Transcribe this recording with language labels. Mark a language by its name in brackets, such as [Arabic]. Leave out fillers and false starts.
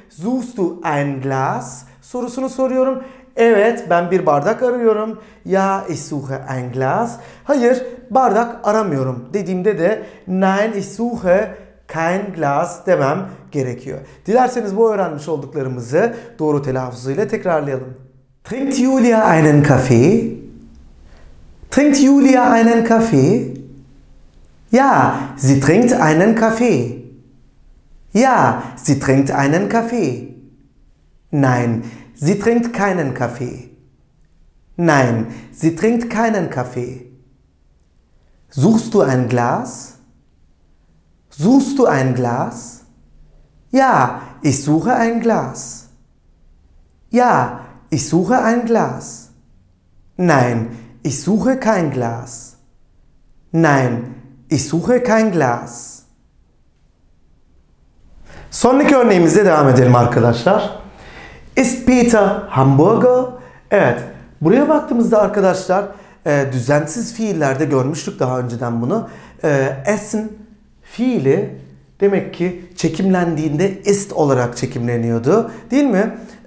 [German] Suchst du ein Glas? [Turkish] Sorusunu soruyorum. Evet, ben bir bardak arıyorum. [German] Ja, ich suche ein Glas. [Turkish] Hayır, bardak aramıyorum dediğimde de [German] nein, ich suche kein Glas [Turkish] demem gerekiyor. Dilerseniz bu öğrenmiş olduklarımızı doğru telaffuzuyla tekrarlayalım. [German] Trinkt Julia einen Kaffee? Trinkt Julia einen Kaffee? Ja, sie trinkt einen Kaffee. Ja, sie trinkt einen Kaffee. Nein, sie trinkt keinen Kaffee. Nein, sie trinkt keinen Kaffee. Suchst du ein Glas? Suchst du ein Glas? Ja, ich suche ein Glas. Ja, ich suche ein Glas. Nein, ich suche kein Glas. Nein, ich suche kein Glas. [Turkish] Sonraki örneğimize devam edelim arkadaşlar. [German] Ist Peter Hamburger? [Turkish] Evet, buraya baktığımızda arkadaşlar düzensiz fiillerde görmüştük daha önceden bunu. Essen fiili demek ki çekimlendiğinde ist olarak çekimleniyordu. Değil mi?